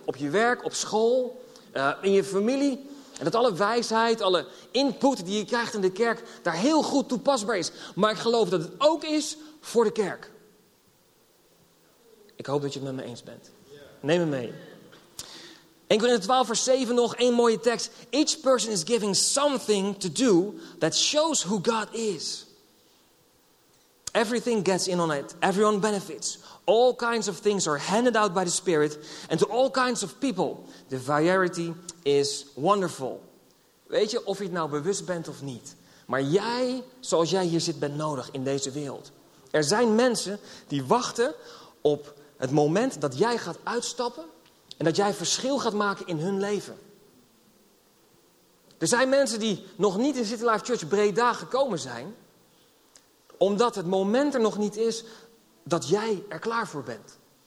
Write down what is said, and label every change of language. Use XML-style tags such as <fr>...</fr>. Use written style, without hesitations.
<nl>Op je werk, op school, in je familie. En dat alle wijsheid, alle input die je krijgt in de kerk daar heel goed toepasbaar is. Maar ik geloof dat het ook is voor de kerk. Ik hoop dat je het met me eens bent. Neem me mee. 1 Korinthe 12 vers 7 nog, één mooie tekst.</nl> <en>Each person is given something to do that shows who God is. Everything gets in on it. Everyone benefits. All kinds of things are handed out by the Spirit. And to all kinds of people, the variety is wonderful.</en> <nl>Weet je of je het nou bewust bent of niet? Maar jij, zoals jij hier zit, bent nodig in deze wereld. Er zijn mensen die wachten op het moment dat jij gaat uitstappen en dat jij verschil gaat maken in hun leven. Er zijn mensen die nog niet in City Life Church Breda gekomen zijn, omdat het moment er nog niet is dat jij er klaar voor bent.</nl>